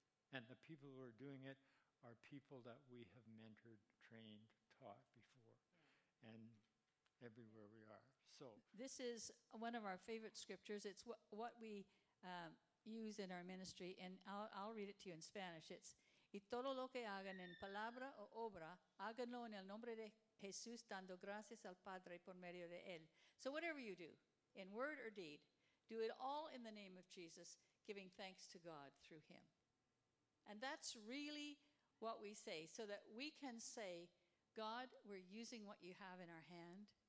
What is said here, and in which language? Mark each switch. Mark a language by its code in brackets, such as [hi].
[en] And the people who are doing it are people that we have mentored, trained, taught before. And everywhere we are. So this is one of our favorite scriptures. It's what we use in our ministry, and I'll read it to you in Spanish. [es] It's y todo lo que hagan en palabra o obra, háganlo en el nombre de Jesús, dando gracias al Padre por medio de él. [en] So whatever you do, in word or deed, do it all in the name of Jesus, giving thanks to God through him. And that's really what we say, so that we can say, God, we're using what you have in our hand.